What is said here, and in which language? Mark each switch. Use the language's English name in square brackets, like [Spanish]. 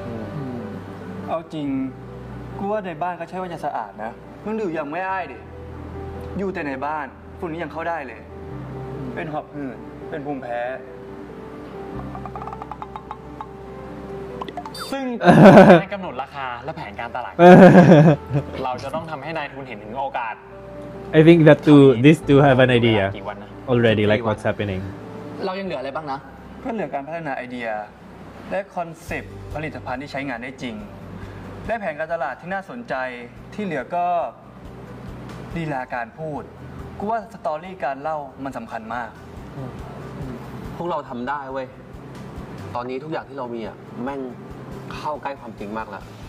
[Thai] ๆเอาจริงกูว่าในบ้านก็ใช่ว่าจะสะอาดนะมันอยู่อย่างไม่อ้ายดิอยู่แต่ในบ้านฝุ่นนี้ยังเข้าได้เลยเป็นหอบหืดเป็นภูมิแพ้ซึ่งในกำหนดราคาและแผนการตลาดเราจะต้องทำให้นายทุนเห็นถึงโอกาส [English] I think that two these two have an idea already like what's happening [Thai] เรายังเหลืออะไรบ้างนะ ก็เหลือการพัฒนาไอเดียและคอนเซปต์ผลิตภัณฑ์ที่ใช้งานได้จริงและแผนการตลาดที่น่าสนใจที่เหลือก็ลีลาการพูดกูว่าสตอรี่การเล่ามันสำคัญมาก พวกเราทำได้เว้ยตอนนี้ทุกอย่างที่เรามีอ่ะแม่งเข้าใกล้ความจริงมากแล้ว